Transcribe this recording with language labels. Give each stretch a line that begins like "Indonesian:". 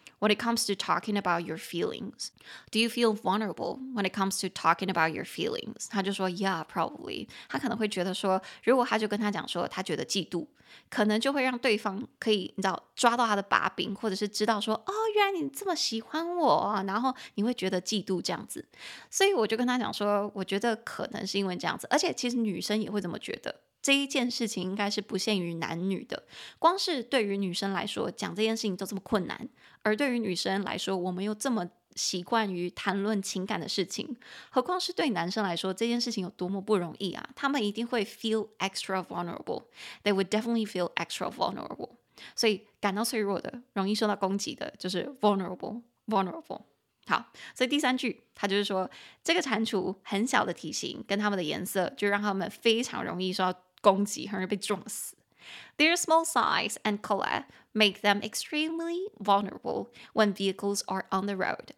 English: when it comes to talking about your feelings? Do you feel vulnerable when it comes to talking about your feelings?
Chinese: 他就说
English: yeah, probably.
Chinese: 他可能会觉得说，如果他就跟他讲说他觉得嫉妒，可能就会让对方可以，你知道，抓到他的把柄，或者是知道说，哦，原来你这么喜欢我，然后你会觉得嫉妒这样子。所以我就跟他讲说，我觉得可能是因为这样子，而且其实女生也会这么觉得。这一件事情应该是不限于男女的，光是对于女生来说讲这件事情都这么困难，而对于女生来说我们又这么习惯于谈论情感的事情，何况是对男生来说这件事情有多么不容易啊，他们一定会
English: feel extra vulnerable. They would definitely feel extra vulnerable.
Chinese: 所以感到脆弱的，容易受到攻击的，就是 vulnerable. 好，所以第三句他就是说，这个蟾蜍很小的体型跟他们的颜色就让他们非常容易受到攻击，很容易被撞死。
English: Their small size and color make them extremely vulnerable when vehicles are on the road.